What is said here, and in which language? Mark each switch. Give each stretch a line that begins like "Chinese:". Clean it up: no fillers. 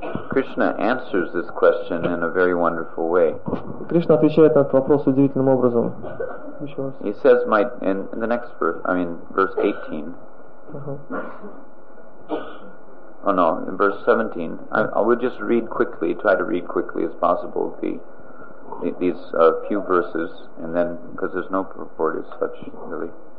English: Krishna answers this question in a very wonderful way.
Russian: Кришна отвечает на этот вопрос удивительным образом.
English: He says, "My in the next verse, I mean, verse 18." Oh no, in verse 17. I will just read quickly. Try to read quickly as possible. These few verses, and then because there's no purport as such, really.